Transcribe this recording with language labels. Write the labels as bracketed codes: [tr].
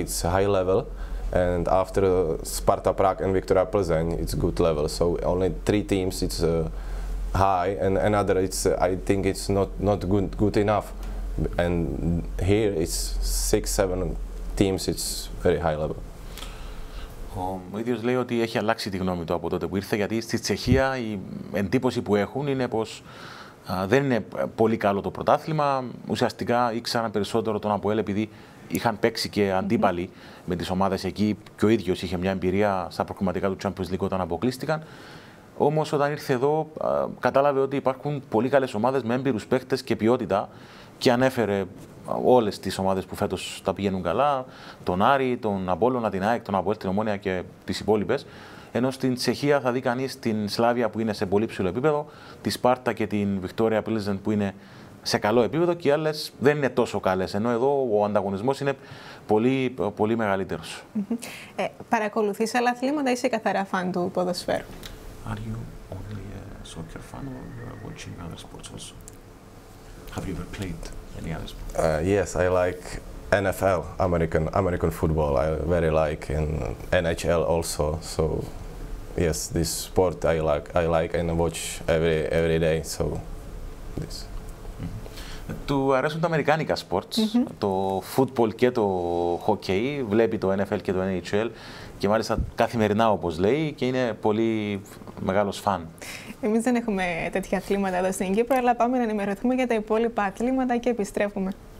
[en] It's high level, and after Sparta Prague and Viktoria Plzeň, it's good level. So only three teams. It's high and another. It's I think it's not good enough, and here it's 6-7 teams. It's very high level. [el] Ο ίδιος λέει ότι έχει αλλάξει τη γνώμη του από τότε που ήρθε, γιατί στη Τσεχία η εντύπωση που έχουν είναι πως δεν είναι πολύ καλό το πρωτάθλημα. Ουσιαστικά ήξεραν περισσότερο τον ΑΠΟΕΛ επειδή είχαν παίξει και αντίπαλοι με τις ομάδες εκεί και ο ίδιος είχε μια εμπειρία στα προκριματικά του Champions League όταν αποκλείστηκαν. Όμως όταν ήρθε εδώ, κατάλαβε ότι υπάρχουν πολύ καλές ομάδες με έμπειρους παίχτες και ποιότητα και ανέφερε όλες τις ομάδες που φέτος τα πηγαίνουν καλά, τον Άρη, τον Απόλλωνα, την ΑΕΚ, τον ΑΠΟΕΛ, την Ομόνια και τις υπόλοιπες. Ενώ στην Τσεχία θα δει κανείς την Σλάβια που είναι σε πολύ ψηλό επίπεδο, τη Σπάρτα και την Βικτόρια Πλίζεν που είναι σε καλό επίπεδο και οι άλλες δεν είναι τόσο καλές. Ενώ εδώ ο ανταγωνισμός είναι πολύ, πολύ μεγαλύτερος. Παρακολουθείς άλλα αθλήματα ή είσαι καθαρά φαν του ποδοσφαίρου? [en] Are you only a soccer fan or you are watching other sports also? Have you ever played any other sports? Yes, I like NFL, American football. I very like and NHL also. So yes, this sport I like and watch every day. So this. [el] Του αρέσουν τα αμερικάνικα sports, το football και το hockey, βλέπει το NFL και το NHL και μάλιστα καθημερινά όπως λέει και είναι πολύ μεγάλος φαν. Εμείς δεν έχουμε τέτοια αθλήματα εδώ στην Κύπρο, αλλά πάμε να ενημερωθούμε για τα υπόλοιπα αθλήματα και επιστρέφουμε.